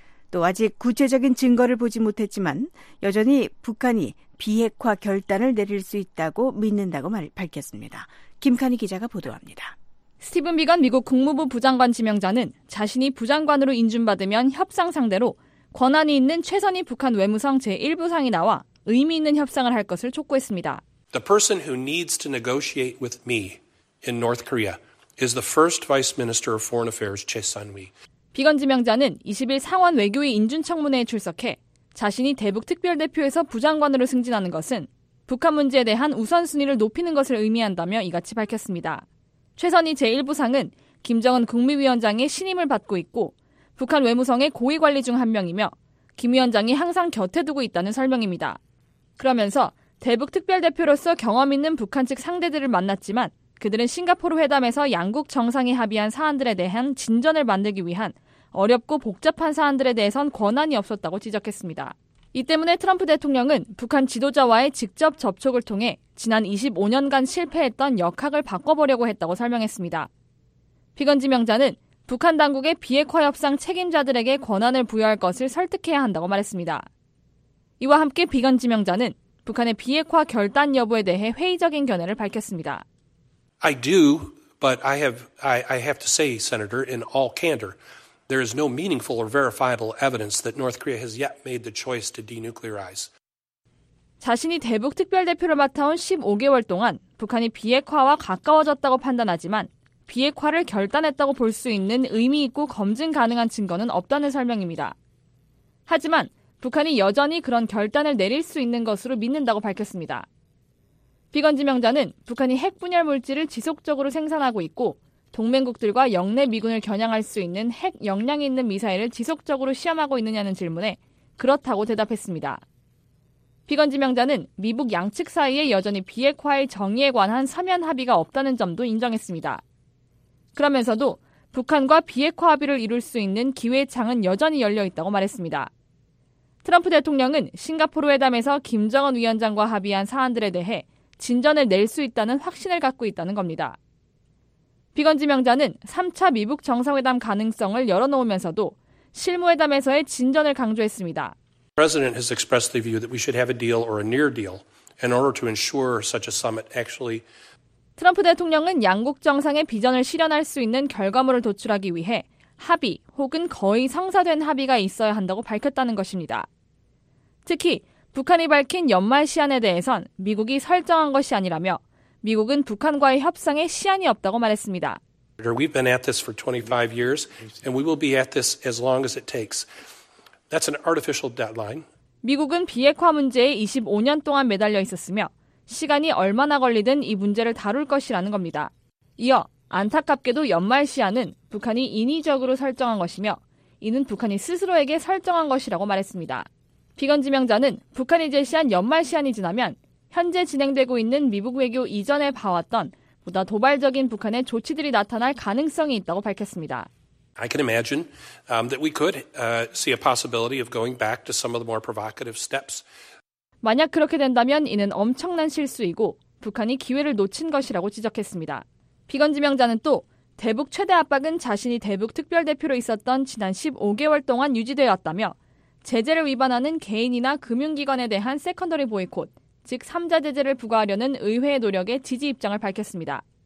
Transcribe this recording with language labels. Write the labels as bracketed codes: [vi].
[ko] 또 아직 구체적인 증거를 보지 못했지만 여전히 북한이 비핵화 결단을 내릴 수 있다고 믿는다고 밝혔습니다. 김카니 기자가 보도합니다. 스티븐 비건 미국 국무부 부장관 지명자는 자신이 부장관으로 인준받으면 협상 상대로 권한이 있는 최선희 북한 외무성 제1부상이 나와 의미 있는 협상을 할 것을 촉구했습니다. [en] The person who needs to negotiate with me in North Korea is the first Vice Minister of Foreign Affairs, Choi Sun-mi. [ko] 비건 지명자는 20일 상원 외교위 인준청문회에 출석해 자신이 대북특별대표에서 부장관으로 승진하는 것은 북한 문제에 대한 우선순위를 높이는 것을 의미한다며 이같이 밝혔습니다. 최선희 제1부상은 김정은 국무위원장의 신임을 받고 있고 북한 외무성의 고위관리 중 한 명이며 김 위원장이 항상 곁에 두고 있다는 설명입니다. 그러면서 대북특별대표로서 경험 있는 북한 측 상대들을 만났지만 그들은 싱가포르 회담에서 양국 정상이 합의한 사안들에 대한 진전을 만들기 위한 어렵고 복잡한 사안들에 대해선 권한이 없었다고 지적했습니다. 이 때문에 트럼프 대통령은 북한 지도자와의 직접 접촉을 통해 지난 25년간 실패했던 역학을 바꿔보려고 했다고 설명했습니다. 비건 지명자는 북한 당국의 비핵화 협상 책임자들에게 권한을 부여할 것을 설득해야 한다고 말했습니다. 이와 함께 비건 지명자는 북한의 비핵화 결단 여부에 대해 회의적인 견해를 밝혔습니다. [en] I do, but I have to say, Senator, in all candor, there is no meaningful or verifiable evidence that North Korea has yet made the choice to denuclearize. [ko] 자신이 대북 특별 대표를 맡아온 15개월 동안 북한이 비핵화와 가까워졌다고 판단하지만 비핵화를 결단했다고 볼 수 있는 의미 있고 검증 가능한 증거는 없다는 설명입니다. 하지만 북한이 여전히 그런 결단을 내릴 수 있는 것으로 믿는다고 밝혔습니다. 비건 지명자는 북한이 핵 분열 물질을 지속적으로 생산하고 있고 동맹국들과 영내 미군을 겨냥할 수 있는 핵 역량이 있는 미사일을 지속적으로 시험하고 있느냐는 질문에 그렇다고 대답했습니다. 비건 지명자는 미북 양측 사이에 여전히 비핵화의 정의에 관한 서면 합의가 없다는 점도 인정했습니다. 그러면서도 북한과 비핵화 합의를 이룰 수 있는 기회창은 여전히 열려있다고 말했습니다. 트럼프 대통령은 싱가포르 회담에서 김정은 위원장과 합의한 사안들에 대해 진전을 낼 수 있다는 확신을 갖고 있다는 겁니다. 비건 지명자는 3차 미북 정상회담 가능성을 열어놓으면서도 실무회담에서의 진전을 강조했습니다. [en] The president has expressed the view that we should have a deal or a near deal in order to ensure such a summit actually [ko] 트럼프 대통령은 양국 정상의 비전을 실현할 수 있는 결과물을 도출하기 위해 합의 혹은 거의 성사된 합의가 있어야 한다고 밝혔다는 것입니다. 특히 북한이 밝힌 연말 시한에 대해선 미국이 설정한 것이 아니라며 미국은 북한과의 협상에 시한이 없다고 말했습니다. [en] We've been at this for 25 years and we will be at this as long as it takes. That's an artificial deadline. [ko] 미국은 비핵화 문제에 25년 동안 매달려 있었으며 시간이 얼마나 걸리든 이 문제를 다룰 것이라는 겁니다. 이어 안타깝게도 연말 시한은 북한이 인위적으로 설정한 것이며 이는 북한이 스스로에게 설정한 것이라고 말했습니다. 비건 지명자는 북한이 제시한 연말 시한이 지나면 현재 진행되고 있는 미국 외교 이전에 봐왔던 보다 도발적인 북한의 조치들이 나타날 가능성이 있다고 밝혔습니다. [en] I can imagine that we could see a possibility of going back to some of the more provocative steps. [ko] 만약 그렇게 된다면 이는 엄청난 실수이고 북한이 기회를 놓친 것이라고 지적했습니다. 비건 지명자는 또 대북 최대 압박은 자신이 대북 특별대표로 있었던 지난 15개월 동안 유지되어 왔다며 제재를 위반하는 개인이나 금융기관에 대한 세컨더리 보이콧, 즉 3자 제재를 부과하려는 의회의 노력에 지지 입장을 밝혔습니다.